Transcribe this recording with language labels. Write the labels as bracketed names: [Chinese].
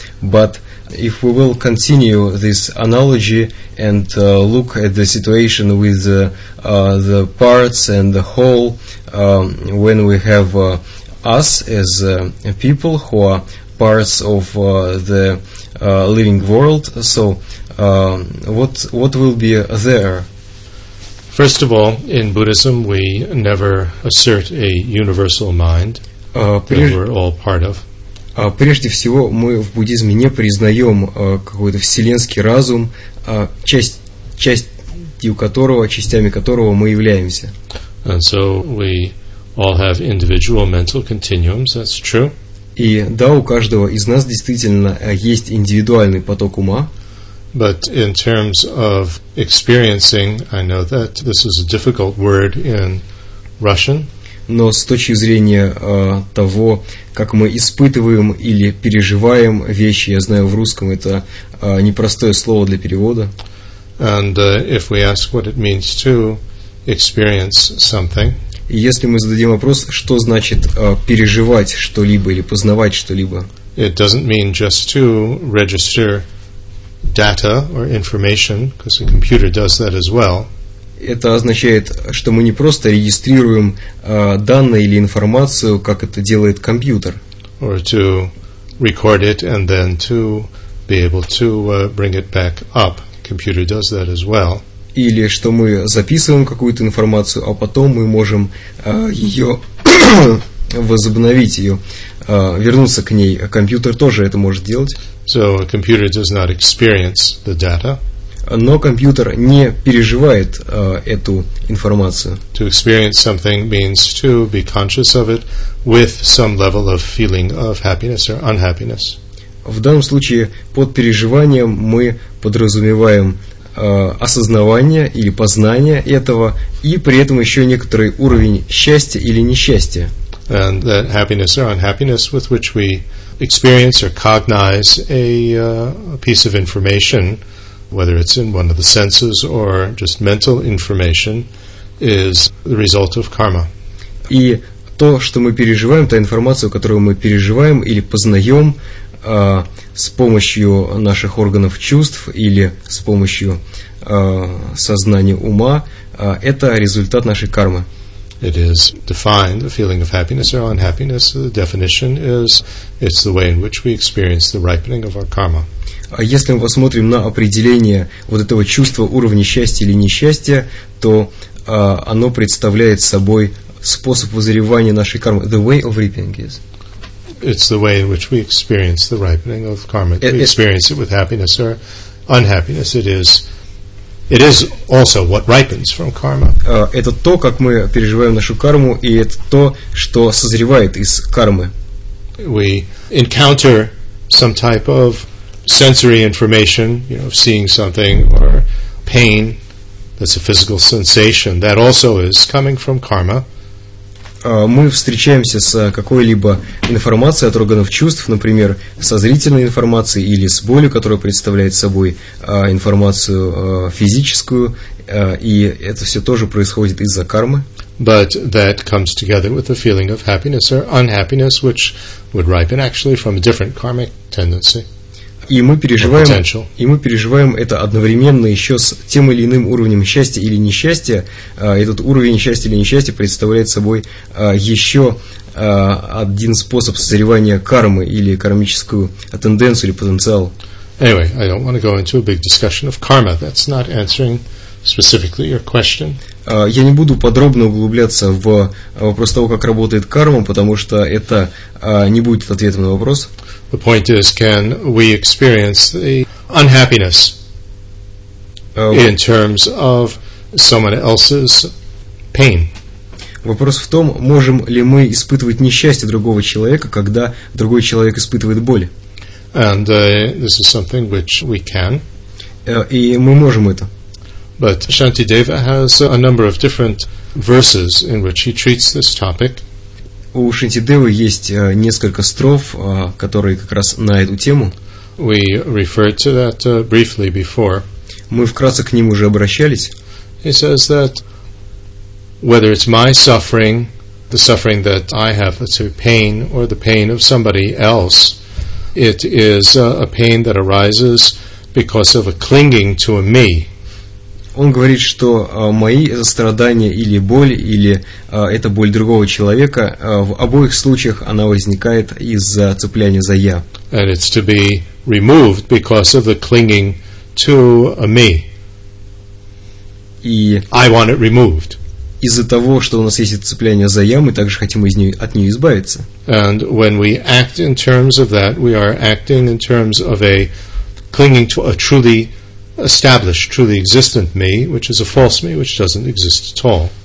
[English] But if we will continue this analogy and look at the situation with the parts and the whole, when we have us as people who are parts of the living world, so what will be there? First of all, in Buddhism, we never assert a universal mind that we're all part of. [Russian] Прежде всего, мы в буддизме не признаем какой-то вселенский разум, частью которого, частями которого мы являемся. [English] And so we all have individual mental continuums, that's true. [Russian] И да, у каждого из нас действительно есть индивидуальный поток ума. [English] But in terms of experiencing, I know that this is a difficult word in Russian. [Russian] Но с точки зрения того, как мы испытываем или переживаем вещи, я знаю, в русском это непростое слово для перевода. [English] And if we ask what it means to experience something. [Russian] И если мы зададим вопрос, что значит переживать что-либо или познавать что-либо. [English] It doesn't mean just to register data or information, because a computer does that as well. [Russian] Это означает, что мы не просто регистрируем данные или информацию, как это делает компьютер. [English] Or to record it and then to be able to bring it back up. Computer does that as well. [Russian] Или что мы записываем какую-то информацию, а потом мы можем ее возобновить, ее вернуться к ней. Компьютер тоже это может делать. [English] So a computer does not experience the data. [Russian] Но компьютер не переживает эту информацию. [English] To experience something means to be conscious of it with some level of feeling of happiness or unhappiness. [Russian] В данном случае под переживанием мы подразумеваем осознавание или познание этого и при этом еще некоторый уровень счастья или несчастья. [English] And that happiness or unhappiness with which we experience or cognize a piece of information, whether it's in one of the senses or just mental information, is the result of karma. [Russian] И то, что мы переживаем, та информация, которую мы переживаем или познаем с помощью наших органов чувств или с помощью сознания ума, это результат нашей кармы. [English] It is defined, the feeling of happiness or unhappiness. The definition is, it's the way in which we experience the ripening of our karma. [Russian] А если мы посмотрим на определение вот этого чувства уровня счастья или несчастья, то оно представляет собой способ воззревания нашей кармы. [English] The way of reaping is. It's the way in which we experience the ripening of karma. We experience it with happiness or unhappiness. It is also what ripens from karma. [Russian] Это то, как мы переживаем нашу карму, и это то, что созревает из кармы. [English] We encounter some type of sensory information, of seeing something or pain. That's a physical sensation. That also is coming from karma. [Russian] Мы встречаемся с какой-либо информацией от органов чувств, например, со зрительной информацией или с болью, которая представляет собой информацию физическую, и это все тоже происходит из-за кармы. [English] But that comes together with the feeling of happiness or unhappiness, which would ripen actually from a different karmic tendency. [Russian] И мы переживаем это одновременно еще с тем или иным уровнем счастья или несчастья. Этот уровень счастья или несчастья представляет собой еще один способ созревания кармы или кармическую тенденцию или потенциал. [English] Anyway, I don't want to go into a big discussion of karma. That's not answering specifically your question. [Russian] Я не буду подробно углубляться в вопрос того, как работает карма, потому что это не будет ответом на вопрос. [English] The point is, can we experience the unhappiness in terms of someone else's pain? [Russian] Вопрос в том, можем ли мы испытывать несчастье другого человека, когда другой человек испытывает боль? [English] And this is something which we can. [Russian] И мы можем это. [English] But Shantideva has a number of different verses in which he treats this topic. [Russian] У Шантидевы есть несколько строф, которые как раз на эту тему. [English] We referred to that briefly before. [Russian] Мы вкратце к ним уже обращались. [English] He says that whether it's my suffering, the suffering that I have, that's a pain, or the pain of somebody else, it is a pain that arises because of a clinging to a me. [Russian] Он говорит, что мои это страдания или боль, или это боль другого человека, в обоих случаях она возникает из-за цепляния за «я». [English] And it's to be removed because of the clinging to a me. [Russian] И [English] I want it removed. [Russian] Из-за того, что у нас есть это цепляние за «я», мы также хотим от нее избавиться. [English] And when we act in terms of that, we are acting in terms of a clinging to a truly establish truly existent me, which is a false me, which doesn't exist at all.